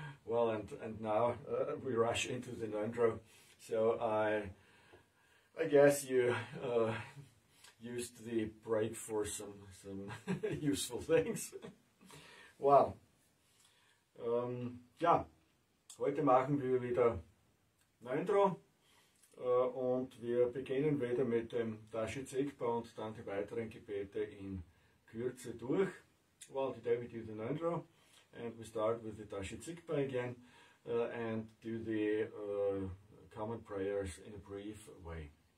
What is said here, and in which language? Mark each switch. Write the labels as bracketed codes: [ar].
[en] Well, and now we rush into the Ngondro. So I guess you used the break for some useful things. Well, yeah. [de] Heute machen wir wieder Ngondro und wir beginnen wieder mit dem Dashi Zigpa und dann die weiteren Gebete in Kürze durch. [en] Well, today we do the Ngondro and we start with the Dashi Zigpa again and do the common prayers in a brief way.